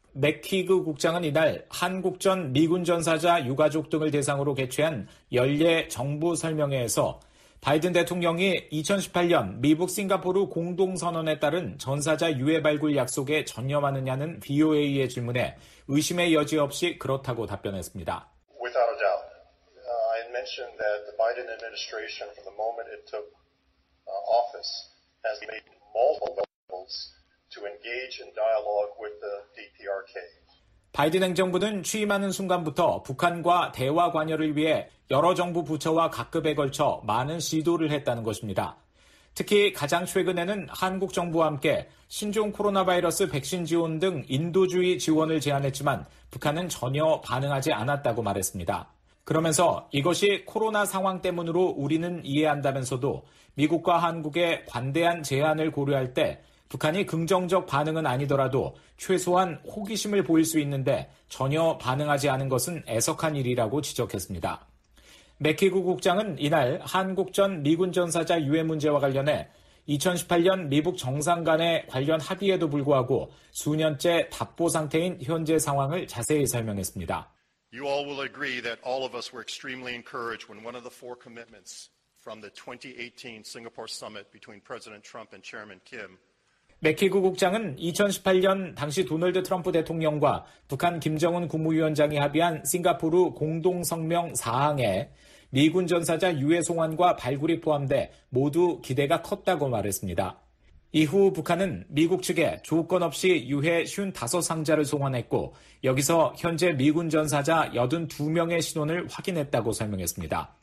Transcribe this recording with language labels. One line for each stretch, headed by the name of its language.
Korean: 맥퀴그 국장은 이날 한국전 미군 전사자 유가족 등을 대상으로 개최한 연례 정부 설명회에서 바이든 대통령이 2018년 미국 싱가포르 공동선언에 따른 전사자 유해 발굴 약속에 전념하느냐는 VOA의 질문에 의심의 여지 없이 그렇다고 답변했습니다.
English: Without a doubt, I mentioned that the Biden administration, from the moment it took office, has made multiple calls to engage in dialogue with the DPRK.
Korean: 바이든 행정부는 취임하는 순간부터 북한과 대화 관여를 위해 여러 정부 부처와 각급에 걸쳐 많은 시도를 했다는 것입니다. 특히 가장 최근에는 한국 정부와 함께 신종 코로나 바이러스 백신 지원 등 인도주의 지원을 제안했지만 북한은 전혀 반응하지 않았다고 말했습니다. 그러면서 이것이 코로나 상황 때문으로 우리는 이해한다면서도 미국과 한국의 관대한 제안을 고려할 때 북한이 긍정적 반응은 아니더라도 최소한 호기심을 보일 수 있는데 전혀 반응하지 않은 것은 애석한 일이라고 지적했습니다. 맥퀴그 국장은 이날 한국전 미군 전사자 유해 문제와 관련해 2018년 미북 정상 간의 관련 합의에도 불구하고 수년째 답보 상태인 현재 상황을 자세히 설명했습니다.
English: You all will agree that all of us were extremely encouraged when one of the four commitments from the 2018 Singapore summit between President Trump and Chairman Kim
Korean: 맥퀴그 국장은 2018년 당시 도널드 트럼프 대통령과 북한 김정은 국무위원장이 합의한 싱가포르 공동성명 4항에 미군 전사자 유해 송환과 발굴이 포함돼 모두 기대가 컸다고 말했습니다. 이후 북한은 미국 측에 조건 없이 유해 55상자를 송환했고 여기서 현재 미군 전사자 82명의 신원을 확인했다고 설명했습니다.